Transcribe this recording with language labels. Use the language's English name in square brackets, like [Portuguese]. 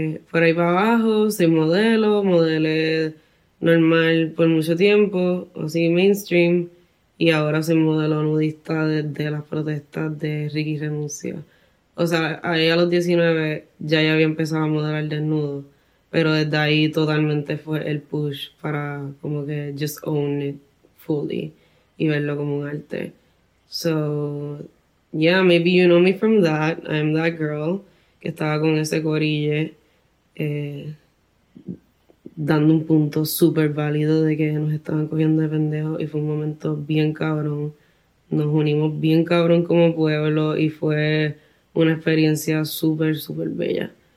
[Spanish] Por ahí para abajo, soy modelo, modelé normal por mucho tiempo, o sí, mainstream, y ahora soy modelo nudista desde las protestas de Ricky Renuncia. O sea, ahí a los 19 ya había empezado a modelar desnudo, pero desde ahí totalmente fue el push para como que just own it fully y verlo como un arte. [English] So, yeah, maybe you know me from that, I'm that girl. [Spanish] Estaba con ese corille dando un punto súper válido de que nos estaban cogiendo de pendejos y fue un momento bien cabrón. Nos unimos bien cabrón como pueblo y fue una experiencia súper, súper bella.